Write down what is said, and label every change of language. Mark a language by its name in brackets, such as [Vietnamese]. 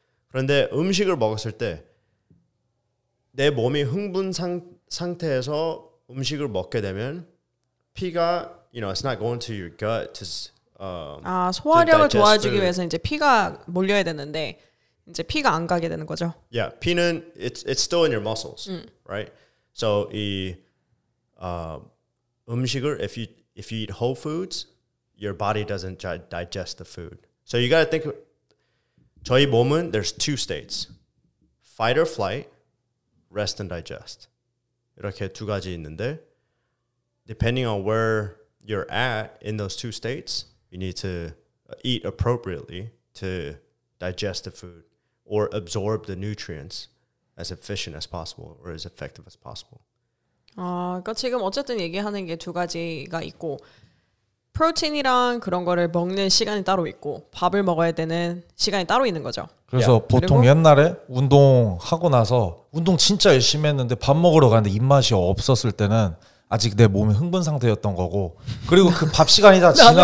[Korean] 그런데 음식을 먹었을 때 내 몸이 흥분 상태에서 음식을 먹게 되면 피가 [English] you know it's not going to your gut to [Korean] 아 소화력을 도와주기 위해서 이제 피가 몰려야 되는데 이제 피가 안 가게 되는 거죠. [English] Yeah, [Korean] 피는 [English] it's still in your muscles, right? So [Korean] 이 음식을 [English] if you eat whole foods, your body doesn't digest the food. So you gotta think. [Korean] 저희 몸은 [English] there's two states, fight or flight, rest and digest. [Korean] 이렇게 두 가지 있는데, [English] depending on where you're at in those two states, you need to eat appropriately to digest the food or absorb the nutrients as efficient as possible or as effective as possible. [Korean] 아, 그러니까 지금 어쨌든 얘기하는 게 두 가지가 있고, 프로틴이랑 그런 거를 먹는 시간이 따로 있고 밥을 먹어야 되는 시간이 따로 있는 거죠. 그래서 yeah. 보통 옛날에 운동하고 나서 운동 진짜 열심히 했는데 밥 먹으러 갔는데 입맛이 없었을 때는 아직 내 몸이 흥분 상태였던 거고 그리고 그 밥 시간이 다 지나고